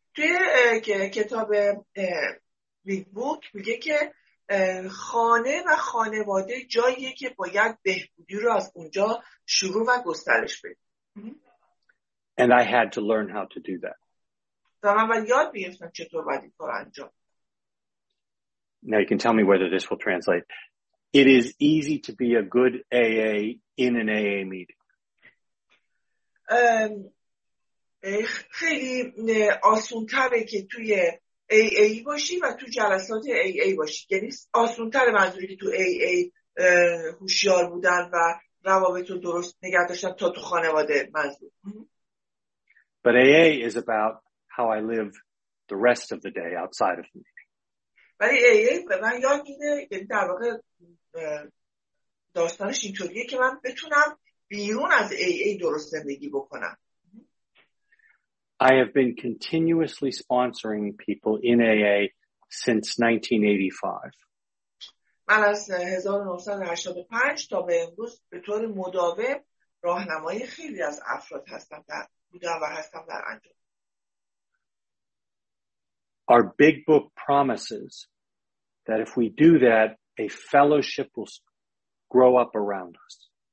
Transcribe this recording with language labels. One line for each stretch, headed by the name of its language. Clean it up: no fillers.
Persian: توی کتاب big book میگه که خانه و خانواده جاییه که باید بهبودی رو از اونجا شروع و گسترش بده.
English: And I had to learn how to do that.
Persian: من باید یاد بگیرم چطور باید این کار انجام.
English: Now you can tell me whether this will translate. It is easy to be a good AA in an AA meeting.
Persian: خیلی آسونتره که توی AA باشی و تو جلسات AA باشی. یعنی آسونتره منظوری که تو AA هوشیار بودن و روابطو درست نگه داشتن تا تو خانواده منظور.
English: But AA is about how I live the rest of the day outside of the meeting.
Persian: ولی AA من یاد میده در واقع داستانش اینطوریه که من بتونم بیرون از AA درست زندگی بکنم.
English: I have been continuously sponsoring people in AA since 1985.
Persian: من از 1985 تا به امروز به طور مداوم راهنمای خیلی از افراد هستم در بودم و هستم در انجام.
English: Our big book promises that if we do that, a fellowship will grow up around us.